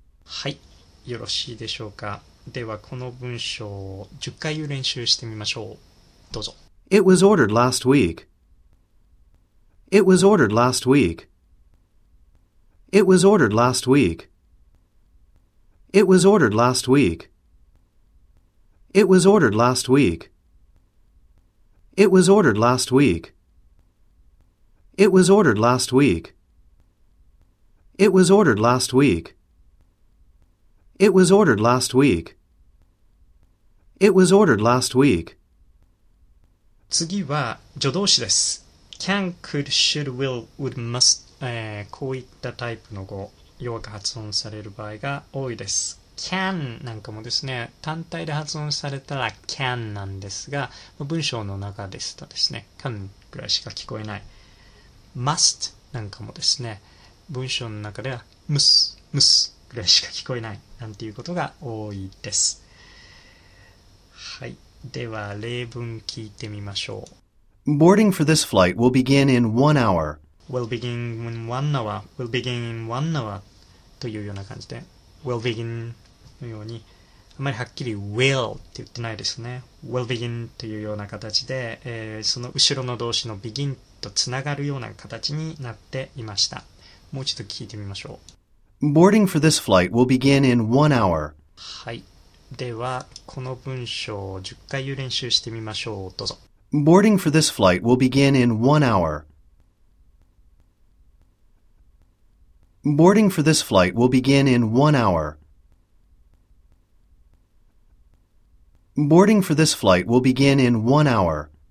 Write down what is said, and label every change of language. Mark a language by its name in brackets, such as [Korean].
[Japanese] はい、よろしいでしょうか。ではこの文章を10回言う練習してみましょう。どうぞ。 [English] It was ordered last week. It was ordered last week. It was ordered last week. It was ordered last week. It was ordered last week. It was ordered last week. It was ordered last week. It was ordered last week. It was ordered last week. It was ordered last week. [Japanese] 次は助動詞です。 can, could, should, will, would, must、こういったタイプの語、弱く発音される場合が多いです。 can なんかもですね、単体で発音されたら can なんですが、文章の中ですとですね、can ぐらいしか聞こえない。 must なんかもですね、文章の中では must ぐらいしか聞こえないなんていうことが多いです。はい、では例文聞いてみましょう。 [English] Boarding for this flight will begin in 1 hour. Will begin in 1 hour. Will begin in 1 hour [Japanese] というような感じで、Will begin のように、あまりはっきり Will って言ってないですね。 Will begin というような形で、その後ろの動詞の begin とつながるような形になっていました。もう一度聞いてみましょう。 [English] Boarding for this flight will begin in 1 hour. [Japanese] はい、ではこの文章を10回練習してみましょう。どうぞ。 [English] Boarding for this flight will begin in 1 hour. Boarding for this flight will begin in 1 hour. Boarding for this flight will begin in 1 hour.